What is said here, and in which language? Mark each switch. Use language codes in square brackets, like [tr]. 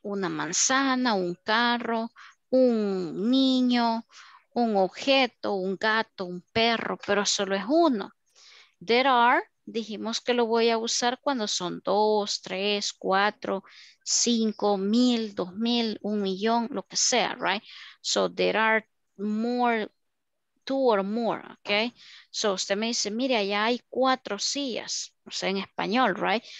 [es] Una manzana, un carro, un niño, un objeto, un gato, un perro. Pero solo es uno. [en] There are. [es] Dijimos que lo voy a usar cuando son dos, tres, cuatro, cinco, mil, dos mil, un millón, lo que sea, right? [en] So there are more, two or more, okay? [es] So usted me dice, mire, allá hay cuatro sillas, o sea, en español, right?